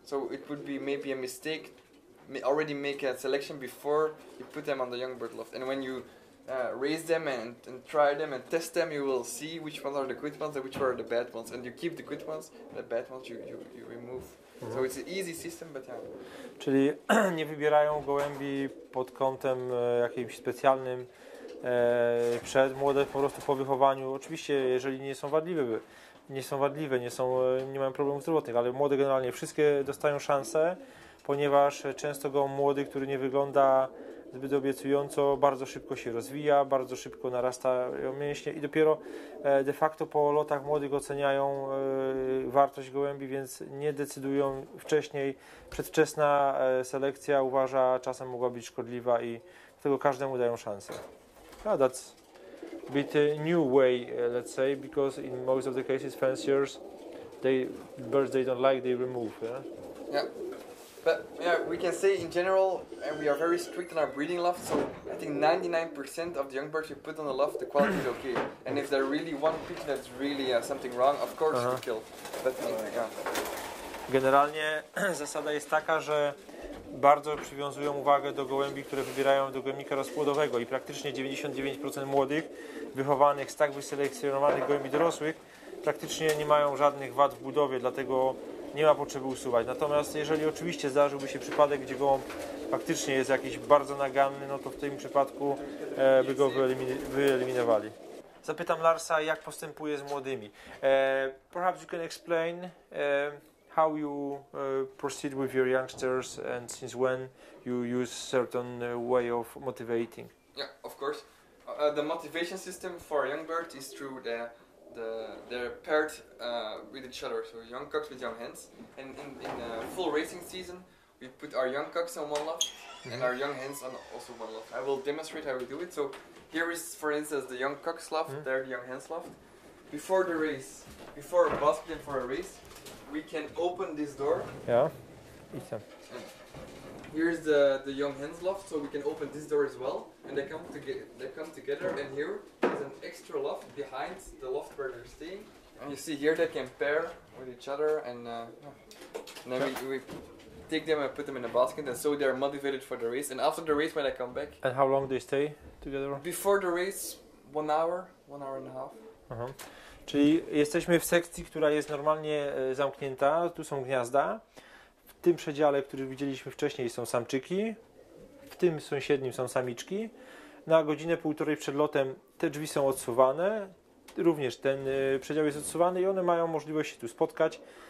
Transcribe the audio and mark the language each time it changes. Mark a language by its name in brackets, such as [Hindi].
[English] So it would be maybe a mistake, already make a selection before you put them on the young bird loft. And when you raise them and try them and test them, you will see which ones are the good ones and which are the bad ones. And you keep the good ones, the bad ones you remove. Mhm. So it's an easy system, but yeah. [Polish] Czyli nie wybierają gołębi pod kątem jakimś specjalnym przed młode po prostu po wychowaniu. Oczywiście, jeżeli nie są wadliwe, nie mają problemów zdrowotnych, ale młode generalnie wszystkie dostają szansę, ponieważ często go młody, który nie wygląda zbyt obiecująco, bardzo szybko się rozwija, bardzo szybko narastają mięśnie i dopiero de facto po lotach młodych oceniają wartość gołębi, więc nie decydują wcześniej. Przedwczesna selekcja uważa czasem mogła być szkodliwa i dlatego każdemu dają szansę. [English] Yeah, that's a bit new way, let's say, because in most of the cases fanciers, they birds they don't like, they remove. Yeah? Yeah. But yeah, we can say in general, and we are very strict on our breeding loft, so I think 99% of the young birds you put on the loft, the quality is okay. And if there really one pigeon that's really something wrong, of course uh-huh. we kill. But yeah. [Polish] Generalnie zasada jest taka, że bardzo przywiązują uwagę do gołębi, które wybierają do gołębnika rozpłodowego i praktycznie 99% młodych wychowanych z tak wyselekcjonowanych gołębi dorosłych praktycznie nie mają żadnych wad w budowie, dlatego nie ma potrzeby usuwać. Natomiast jeżeli oczywiście zdarzyłby się przypadek, gdzie gołąb faktycznie jest jakiś bardzo naganny, no to w tym przypadku by go wyeliminowali. Zapytam Larsa, jak postępuje z młodymi. [English] Perhaps you can explain how you proceed with your youngsters and since when you use certain way of motivating. Yeah, of course. The motivation system for a young bird is through they're paired with each other, so young cocks with young hens. And in the full racing season, we put our young cocks on one loft mm-hmm. and our young hens on also one loft. I will demonstrate how we do it. So here is, for instance, the young cocks loft, mm-hmm. there the young hens loft. Before the race, before basketing for a race, we can open this door. Yeah, Ethan. Here's the young hens loft, so we can open this door as well. And they come together, and here is an extra loft behind the loft where they're staying. And you see here they can pair with each other, and then we take them and put them in a basket, and so they're motivated for the race. And after the race, when they come back. And how long do they stay together? Before the race, 1 hour, 1 hour and a half. Uh-huh. [Polish] Czyli jesteśmy w sekcji, która jest normalnie zamknięta, tu są gniazda. W tym przedziale, który widzieliśmy wcześniej, są samczyki, w tym sąsiednim są samiczki. Na godzinę, półtorej przed lotem te drzwi są odsuwane, również ten przedział jest odsuwany i one mają możliwość się tu spotkać.